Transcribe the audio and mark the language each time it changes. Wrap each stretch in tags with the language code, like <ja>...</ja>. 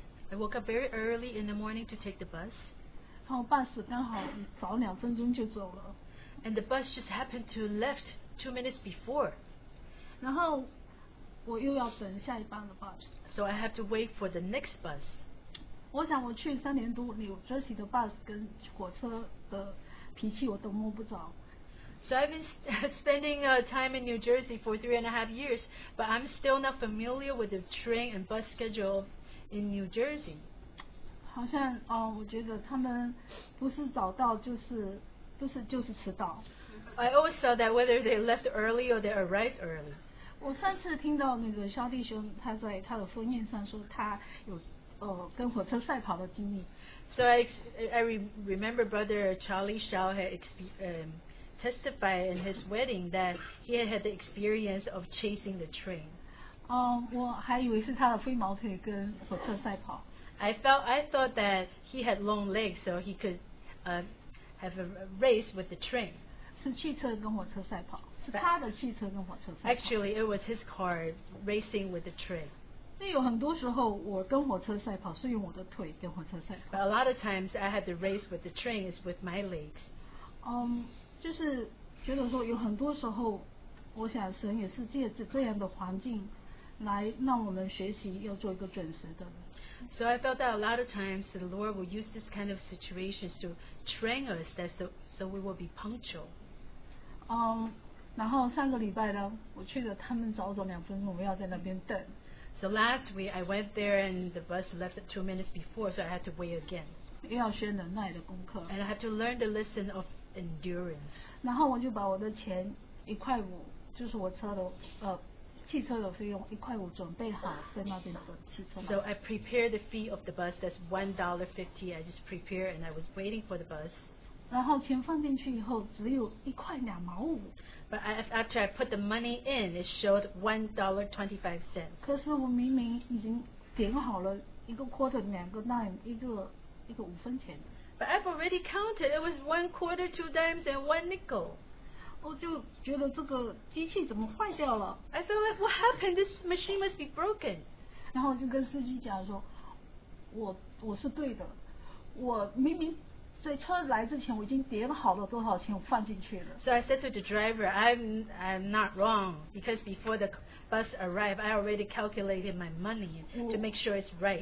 <en>I woke up very early in the morning to take the bus.</en> <zh>然后 bus 刚好早两分钟就走了。</zh> <en>And the bus just happened to left 2 minutes before.</en> <zh>然后我又要等下一班的 bus.</zh> <en>So I have to wait for the next bus.</en> <zh>我想我去三年多，纽泽西的 bus 跟火车的脾气我都摸不着。</zh> <en>So I've been spending time in New Jersey for 3.5 years, but I'm still not familiar with the train and bus schedule in New Jersey.</en> <zh>好像我觉得他们不是早到就是迟到。</zh> <en>I always felt that whether they left early or they arrived early.</en> <zh>我上次听到那个肖弟兄他在他的封面上说他有跟火车赛跑的经历。</zh> <en>So I remember Brother Charlie Shaw had testified in his wedding that he had the experience of chasing the train.</en> <zh>我还以为是他的飞毛腿跟火车赛跑。</zh> <en>I thought that he had long legs so he could have a race with the train.</en> <zh>是汽车跟火车赛跑，是他的汽车跟火车赛跑。</zh> <en>Actually, it was his car racing with the train.</en> <zh>因为有很多时候我跟火车赛跑是用我的腿跟火车赛跑。</zh> <en>But a lot of times I had to race with the train is with my legs.</en> <zh>就是觉得说有很多时候我想神也是借着这样的环境来让我们学习要做一个准时的人。</zh> <en>So I felt that a lot of times the Lord will use this kind of situations to train us that so we will be punctual.</en> <zh>然后上个礼拜呢我去了他们早走两分钟我要在那边等。</zh> <en>So last week I went there and the bus left 2 minutes before, so I had to wait again.</en> <zh>要学忍耐的功课。</zh> <en>And I have to learn the lesson of endurance.</en> <zh>然后我就把我的钱一块五，就是我车的汽车的费用一块五准备好在那边等汽车。</zh> <en>So I prepare the fee of the bus. That's $1.50. I just prepare and I was waiting for the bus.</en> <zh>然后钱放进去以后只有一块两毛五。</zh> <en>But after I put the money in, it showed $1.25.</en> <zh>可是我明明已经点好了一个 quarter, 两个 dime, 一个五分钱。</zh> <en>But I've already counted. It was one quarter, two dimes, and one nickel.</en> <zh>我就觉得这个机器怎么坏掉了。</zh> <en>I feel like what happened? This machine must be broken.</en> <zh>然后我就跟司机讲说，我是对的，我明明。所以车来之前我已经点好了多少钱我放进去了。</zh> <en>So I said to the driver, I'm not wrong because before the bus arrived, I already calculated my money to make sure it's right.</en>